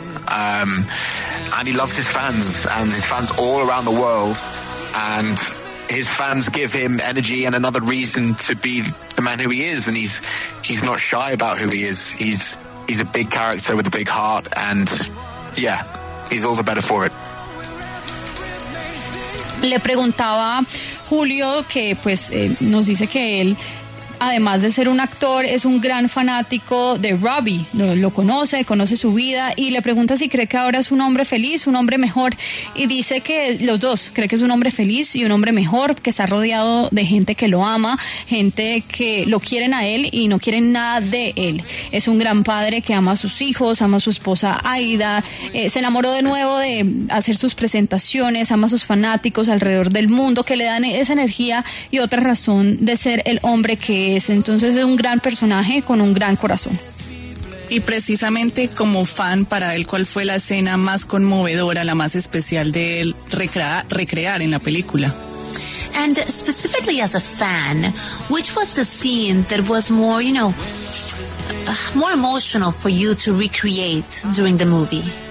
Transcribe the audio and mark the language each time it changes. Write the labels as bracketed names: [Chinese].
[English] And he loves his fans, and his fans all around the world. And his fans give him energy and another reason to be the man who he is. And he's not shy about who he is. He's a big character with a big heart, and yeah, he's all the better for it. [Spanish] Le preguntaba Julio, que pues nos dice que él, además de ser un actor, es un gran fanático de Robbie. Lo conoce su vida, y le pregunta si cree que ahora es un hombre feliz, un hombre mejor. Y dice que los dos, cree que es un hombre feliz y un hombre mejor, que está rodeado de gente que lo ama, gente que lo quieren a él y no quieren nada de él. Es un gran padre que ama a sus hijos, ama a su esposa Aida. Se enamoró de nuevo de hacer sus presentaciones, ama a sus fanáticos alrededor del mundo, que le dan esa energía y otra razón de ser el hombre que es. Entonces es un gran personaje con un gran corazón. Y precisamente como fan, para él, ¿cuál fue la escena más conmovedora, la más especial de él recrear en la película? [English] And specifically as a fan, which was the scene that was more, you know, more emotional for you to recreate during the movie?